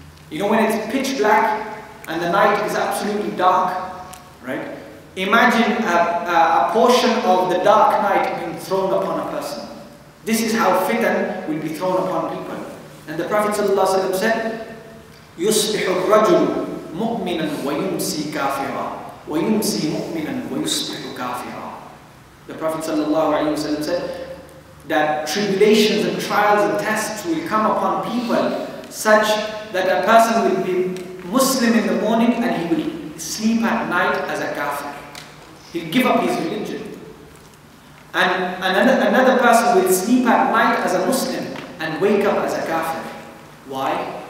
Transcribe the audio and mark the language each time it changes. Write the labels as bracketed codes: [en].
[en] You know when it's pitch black and the night is absolutely dark, right? Imagine a portion of the dark night being thrown upon a person. This is how fitan will be thrown upon people. And the Prophet ﷺ said, [ar] يُصْبِحُ الرَّجُلُ مُؤْمِنًا وَيُمْسِي كَافِرًا وَيُمْسِي مُؤْمِنًا وَيُصْبِحُ كَافِرًا. [en] The Prophet ﷺ said that tribulations and trials and tests will come upon people such that a person will be Muslim in the morning and he will sleep at night as a kafir. He'll give up his religion. And another person will sleep at night as a Muslim and wake up as a kafir. Why?